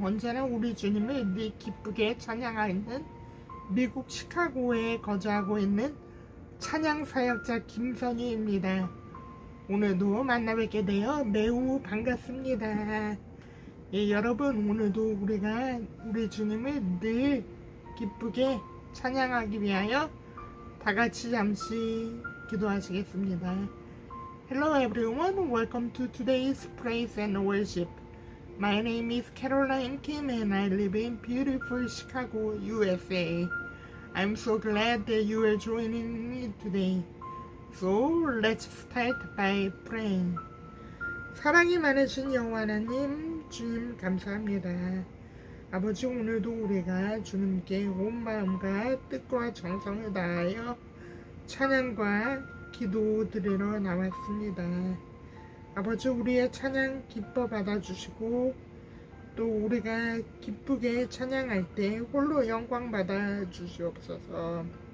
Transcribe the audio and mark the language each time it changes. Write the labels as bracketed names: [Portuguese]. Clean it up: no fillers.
[Korean] 언제나 우리 주님을 늘 기쁘게 찬양하는 미국 시카고에 거주하고 있는 찬양 사역자 김선유입니다. 오늘도 만나 뵙게 되어 매우 반갑습니다. 여러분 오늘도 우리가 우리 주님을 늘 기쁘게 찬양하기 위하여 다 같이 잠시 기도하시겠습니다. [English] Hello everyone, welcome to today's praise and worship. My name is Caroline Kim and I live in beautiful Chicago, USA. I'm so glad that you are joining me today. So let's start by praying. [Korean] 사랑이 많으신 여호와 하나님, 주님 감사합니다. 아버지, 오늘도 우리가 주님께 온 마음과 뜻과 정성을 다하여 찬양과 기도드리러 나왔습니다. 아버지, 우리의 찬양 기뻐 받아주시고, 또 우리가 기쁘게 찬양할 때 홀로 영광 받아주시옵소서.